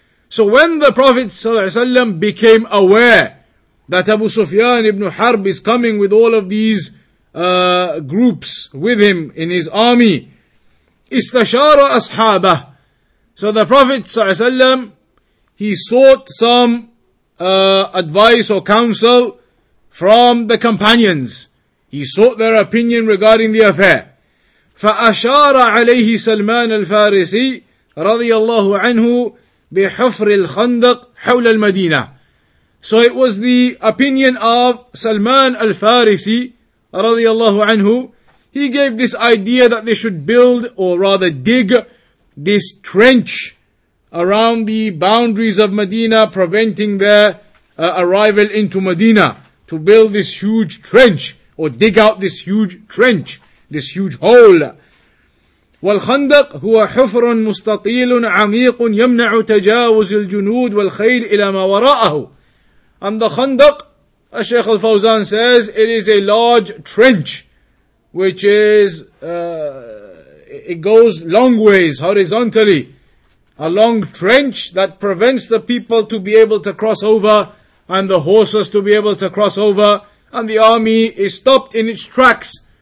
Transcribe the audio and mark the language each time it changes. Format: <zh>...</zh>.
<en>So when the Prophet ﷺ became aware that Abu Sufyan ibn Harb is coming with all of these groups with him in his army,</en> <ar>استشارَ أَصْحَابَهُ.</ar> <en>So the Prophet ﷺ, he sought some advice or counsel from the companions. He sought their opinion regarding the affair.</en> <ar>فأشار عليه سلمان الفارسي رضي الله عنه بحفر الخندق حول المدينة.</ar> <en>So it was the opinion of سلمان الفارسي</en> <ar>رضي الله عنه.</ar> <en>He gave this idea that they should build, or rather dig, this trench around the boundaries of Medina, preventing their arrival into Medina, to build this huge trench, or dig out this huge trench, this huge hole.</en> <ar>والخندق هو حفر مستطيل عميق يمنع تجاوز الجنود والخيل إلى ما وراءه.</ar> <en>And the Khandaq, as Shaykh al-Fawzan says, it is a large trench, which is, it goes long ways, horizontally. A long trench that prevents the people to be able to cross over, and the horses to be able to cross over, and the army is stopped in its tracks.</en>